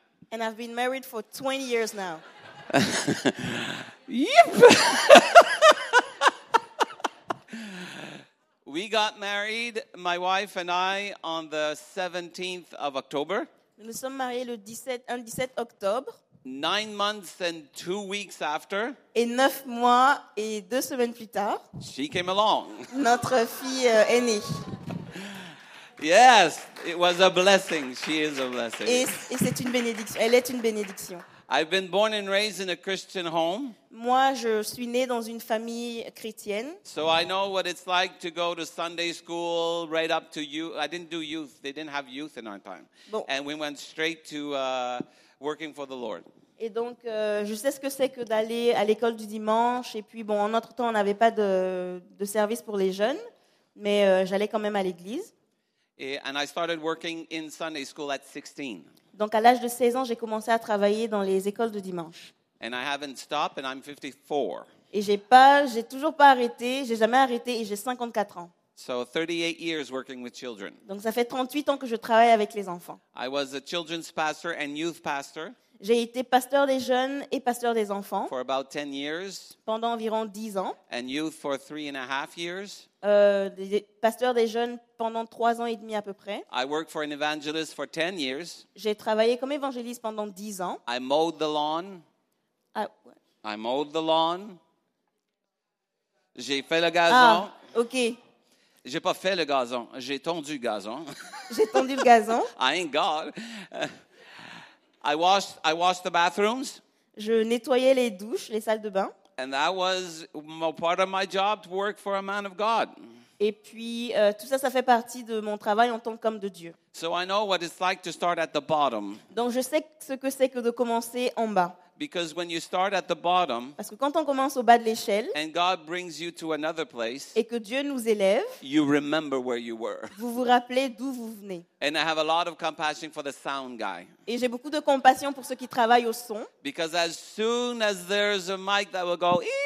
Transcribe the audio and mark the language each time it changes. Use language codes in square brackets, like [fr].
[en] And I've been married for 20 years now. Yep. We got married, my wife and I, on the 17th of October. [fr] Nous sommes mariés le 17 octobre. [en] 9 months and 2 weeks after. [fr] Et 9 mois et 2 semaines plus tard. [en] She came along. [fr] Notre fille est née. [en] Yes, it was a blessing. She is a blessing. [fr] Et c'est une bénédiction. Elle est une bénédiction. [en] I've been born and raised in a Christian home. [fr] Moi, je suis né dans une famille chrétienne. [en] So I know what it's like to go to Sunday school right up to youth. I didn't do youth. They didn't have youth in our time. [fr] Bon. [en] And we went straight to working for the Lord. [fr] Et donc, je sais ce que c'est que d'aller à l'école du dimanche. Et puis, bon, en notre temps, on n'avait pas de service pour les jeunes. Mais j'allais quand même à l'église. [en] And I started working in Sunday school at 16. [fr] Donc, à l'âge de 16 ans, j'ai commencé à travailler dans les écoles de dimanche. [en] And I haven't stopped, and I'm 54. [fr] Et j'ai toujours pas arrêté, j'ai jamais arrêté, et j'ai 54 ans. [en] So 38 years working with children. [fr] Donc, ça fait 38 ans que je travaille avec les enfants. [en] I was a children's pastor and youth pastor. [fr] J'ai été pasteur des jeunes et pasteur des enfants. [en] For about 10 years. [fr] Pendant environ 10 ans. [en] And youth for 3.5 years. [fr] Pasteur des jeunes pendant 3 ans et demi à peu près. [en] I worked for an evangelist for 10 years. [fr] J'ai travaillé comme évangéliste pendant 10 ans. [en] I mowed the lawn. I mowed the lawn. [fr] J'ai fait le gazon. Ah, ok. J'ai pas fait le gazon. J'ai tondu le gazon. J'ai tondu le gazon. [en] I ain't God. I washed the bathrooms. [fr] Je nettoyais les douches, les salles de bain. [en] And that was part of my job to work for a man of God. [fr] Et puis tout ça, ça fait partie de mon travail en tant qu'homme de Dieu. [en] So I know what it's like to start at the bottom. [fr] Donc je sais ce que c'est que de commencer en bas. [en] Because when you start at the bottom, [fr] parce que quand on commence au bas de l'échelle, [en] and God brings you to another place, [fr] et que Dieu nous élève, [en] you remember where you were. [fr] Vous vous rappelez d'où vous venez. [en] And I have a lot of compassion for the sound guy. [fr] Et j'ai beaucoup de compassion pour ceux qui travaillent au son. [en] Because as soon as there's a mic that will go,